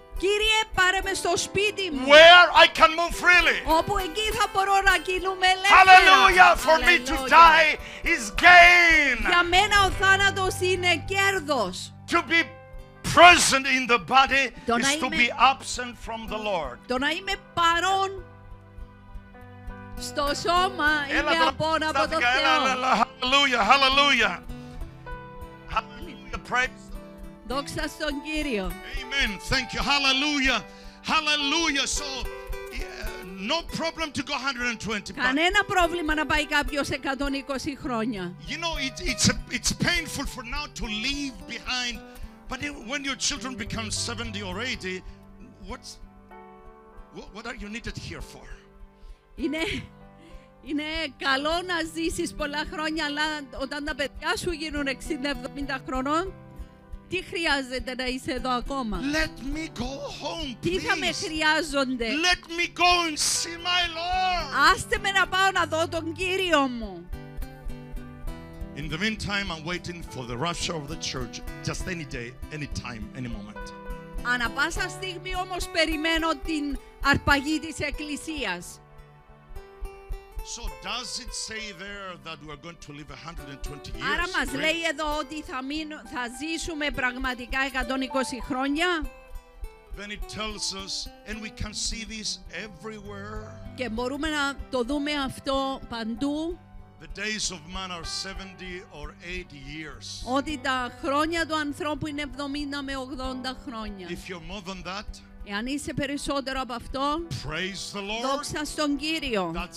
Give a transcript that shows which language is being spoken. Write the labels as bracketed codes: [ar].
[el] Κύριε, πάρε με στο σπίτι μου. [en] Where I can move freely. [el] Όπου εκεί θα μπορώ να κινούμαι ελεύθερα. [en] Hallelujah, for me to die is gain. [el] Για μένα ο θάνατος είναι κέρδος. [en] To be present in the body is to be absent from the Lord. [el] Το να είμαι παρόν στο σώμα είναι απόν από το Θεό. [en] Hallelujah, hallelujah. Hallelujah, praise. [el] Δόξα στον Κύριο. [en] Amen. Thank you. Hallelujah. Hallelujah. So, no problem to go 120. [el] Κανένα πρόβλημα να πάει κάποιος 120 χρόνια. [en] You know, it's painful for now to leave behind, but when your children become 70 or 80, what are you needed here for? [el] Είναι καλό να ζήσεις πολλά χρόνια, αλλά όταν τα παιδιά σου γίνουν 60-70 χρονών, τι χρειάζεται να είσαι εδώ ακόμα? [en] Let me go home, please. [el] Τι θα με χρειάζονται? [en] Let me go and see my Lord. [el] Άστε με να πάω να δω τον Κύριο μου. [en] In the meantime, I'm waiting for the rapture of the church just any day, any time, any moment. [el] Ανά πάσα στιγμή όμως περιμένω την αρπαγή της Εκκλησίας. [en] So does it say there that we are going to live 120 years? [el] Άρα μας λέει εδώ ότι θα ζήσουμε πραγματικά 120 χρόνια? [en] Then it tells us, and we can see this everywhere. [el] Και μπορούμε να το δούμε αυτό παντού. [en] The days of man are 70 or 80 years. [el] Ότι τα χρόνια του ανθρώπου είναι 70 με 80 χρόνια. [en] If you're more than that, [el] εάν είσαι περισσότερο από αυτό, δόξα στον Κύριο.